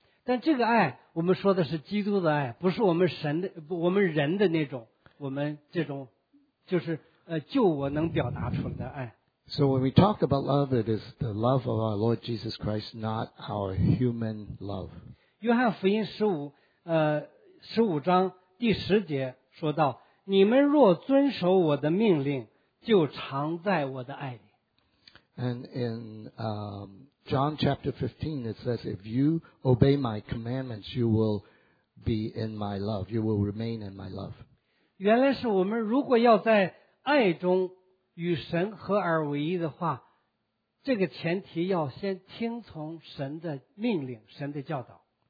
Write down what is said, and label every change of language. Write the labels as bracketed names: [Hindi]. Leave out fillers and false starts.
[Chinese] 但这个爱，我们说的是基督的爱，不是我们神的，我们人的那种，我们这种就是救我能表达出来的爱。 [English] So when we talk about love, it is the love of our Lord Jesus Christ, not our human love. [Chinese] 约翰福音十五十五章第十节说到，你们若遵守我的命令，就常在我的爱里。 [English] And in John chapter 15, it says, if you obey my commandments, you will be in my love. You will remain in my love. [Chinese] 原来是我们如果要在爱中与神合而为一的话，这个前提要先听从神的命令，神的教导。